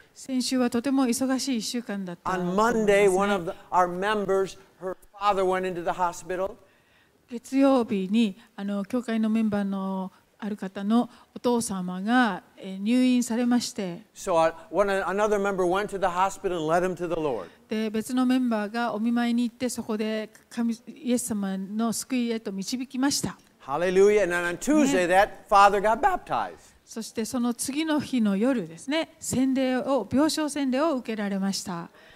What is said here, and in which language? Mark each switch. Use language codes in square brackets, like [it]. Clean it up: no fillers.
[ja] 先週はとても忙しい1週間だった。 [en] On Monday, one of our members, her father went into the hospital. [ja] 月曜日にあの教会のメンバーのある方のお父様が入院されまして。 [en] So another member went to the hospital and led him to the Lord. [ja] で別のメンバーがお見舞いに行ってそこで神イエス様の救いへと導きました。 [en] ハレルヤ。And then on Tuesday, that father got baptized. [ja] そしてその次の日の夜ですね、洗礼を病床洗礼を受けられました。